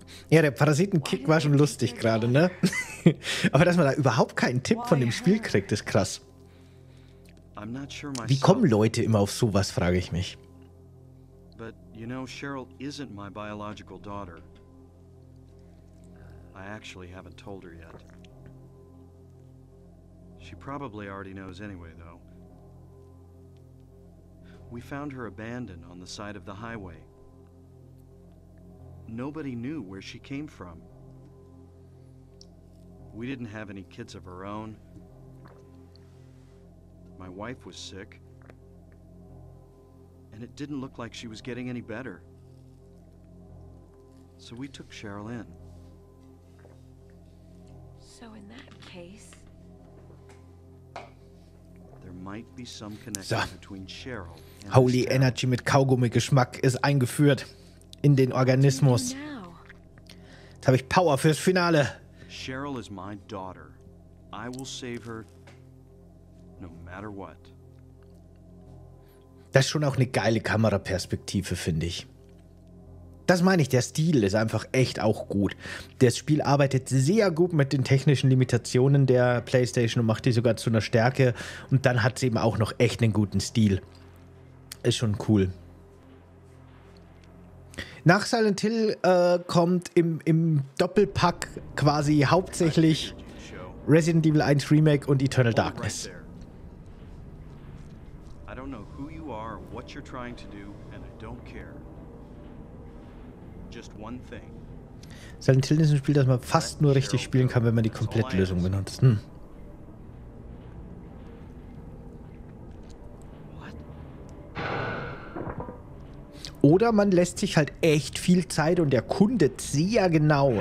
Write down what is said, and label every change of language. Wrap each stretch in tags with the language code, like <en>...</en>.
<de>Ja, der Parasitenkick war schon lustig gerade, ne? Aber dass man da überhaupt keinen Tipp von dem Spiel kriegt, ist krass. Wie kommen Leute immer auf sowas, frage ich mich.</de> <en>But you know, Cheryl isn't my biological daughter. I actually haven't told her yet. She probably already knows anyway, though. We found her abandoned on the side of the highway. Nobody knew where she came from. We didn't have any kids of our own. My wife was sick. And it didn't look like she was getting any better. So we took Cheryl in. So in that case... There might be some connection between Cheryl and Holy Cheryl.</en> <de>Energy mit Kaugummi-Geschmack ist eingeführt in den Organismus. Jetzt habe ich Power fürs Finale.</de> <en>Cheryl is my daughter. I will save her no matter what.</en> <de>Das ist schon auch eine geile Kameraperspektive, finde ich. Das meine ich, der Stil ist einfach echt auch gut. Das Spiel arbeitet sehr gut mit den technischen Limitationen der PlayStation und macht die sogar zu einer Stärke. Und dann hat sie eben auch noch echt einen guten Stil. Ist schon cool. Nach Silent Hill kommt im Doppelpack quasi hauptsächlich Resident Evil 1 Remake und Eternal Darkness.</de> <en>I don't know who you are or what you're trying to do and I don't care. Just one thing.</en> <de>Silent Hill ist ein Spiel, das man fast nur richtig spielen kann, wenn man die Komplettlösung benutzt. Hm. Oder man lässt sich halt echt viel Zeit und erkundet sehr genau.</de>